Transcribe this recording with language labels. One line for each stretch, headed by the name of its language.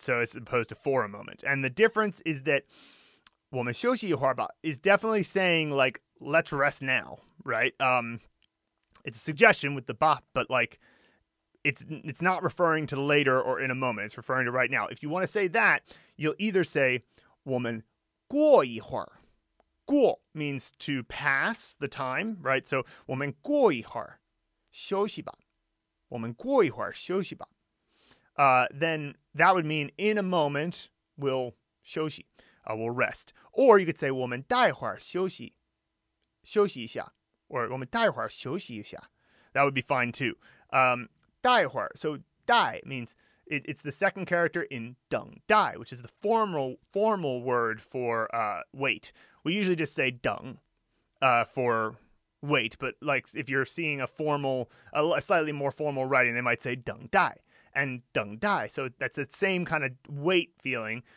English: So it's opposed to for a moment. And the difference is that
Chinese: 我们休息一会儿吧
English: is definitely saying, like, let's rest now, right? It's a suggestion with the ba, but, like, it's not referring to later or in a moment. It's referring to right now. If you want to say that, you'll either say
Chinese: 我们过一会儿.
English: 过 means to pass the time, right?
Chinese: So 我们过一会儿休息吧. 我们过一会儿休息吧.
English: Then that would mean in a moment we'll 休息. We'll rest. Or you could say
Chinese: 我们待会儿休息一下. Or 我们待会儿休息一下.
English: That would be fine too. 待会儿. So 待 means it's the second character in 等待, which is the formal word for wait. We usually just say 等 for wait, but like if you're seeing a slightly more formal writing, they might say 等待, and 等待, so that's the same kind of wait feeling.